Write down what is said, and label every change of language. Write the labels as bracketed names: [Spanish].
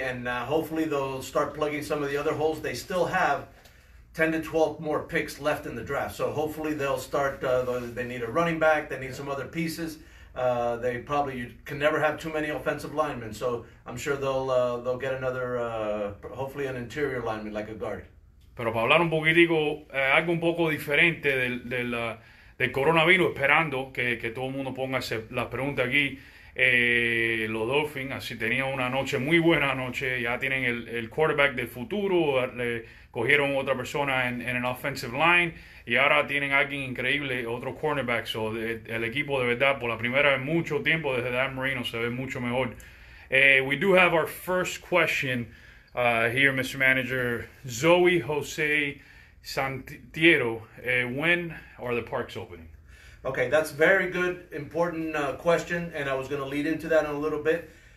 [English] And hopefully they'll start plugging some of the other holes. They still have 10 to 12 more picks left in the draft. So hopefully they'll start. They need a running back. They need some other pieces. They probably, you can never have too many offensive linemen. So I'm sure they'll get another, hopefully an interior lineman, like a guard. [Spanish] Pero para hablar un poquitico, algo un poco diferente del coronavirus, esperando que todo el mundo ponga la pregunta aquí. Los Dolphins, así tenían una noche, muy buena noche, ya tienen el quarterback del futuro, le cogieron otra persona en an offensive line, y ahora tienen alguien increíble, otro cornerback. So el equipo de verdad, por la primera en mucho tiempo, desde Dan Marino, se ve mucho mejor. [English] We do have our first question here, Mr. Manager. Zoe Jose Santiero, when are the parks opening? Okay, that's very good, important question, and I was going to lead into that in a little bit.